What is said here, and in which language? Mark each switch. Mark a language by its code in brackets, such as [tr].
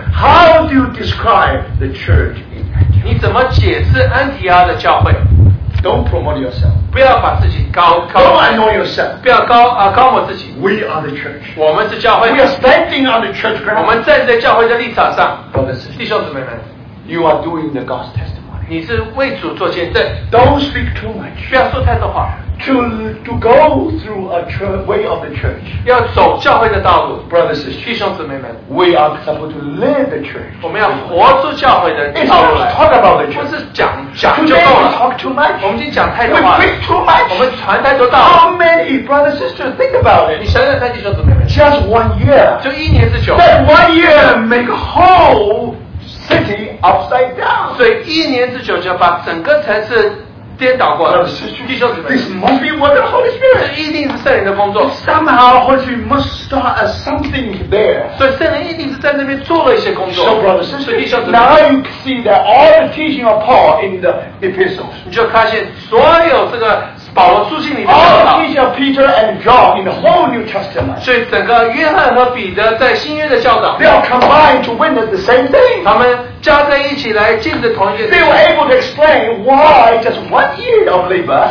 [en] How do you describe the church in Antioch? [zh] 你怎么解释安提阿的教会? [en] Don't promote yourself. [zh] 不要把自己高高。 [en] Don't annoy yourself. [zh] 不要高我自己。 [en] We are the church. [zh] 我们是教会。 [en] We are standing on the church ground. [zh] 我们站在教会的立场上。 [en] Brothers, [zh] 弟兄姊妹们。 [en] You are doing the God's testimony. [zh] 你是为主做见证。 [en] Don't speak too much. [zh] 不要说太多话。 [en] To go through a way of the church. [zh] 要走教会的道路, [en] brothers and sisters, [zh] 弟兄姊妹们, [en] we are supposed to live the church. [zh] 我们要活出教会的道路来。 [en] Talk about the church. [zh] 不是讲就够了。 [en] Today we talk too much. We preach too much. How many brothers and sisters think about it? [zh] 你想想看, 弟兄姊妹们, [en] just 1 year. [zh] 就一年之久, [en] that 1 year make a whole city upside down. [zh] 所以一年之久就把整个城市 颠倒过来。 [en] This must be what the Holy Spirit. Somehow Holy Spirit must start something there. [zh] 所以圣灵一定是在那边做了一些工作。 [en] So brothers and sisters, now you see that all the teaching of Paul in the epistles. [zh] 你就发现所有这个保罗书信里面。 [en] All the teaching of Peter and John in the whole New Testament. [zh] 所以整个约翰和彼得在新约的教导, [en] they are combined to witness the same thing. [zh] 他们加在一起来禁止同一个人, [en] they were able to explain why just 1 year of labor.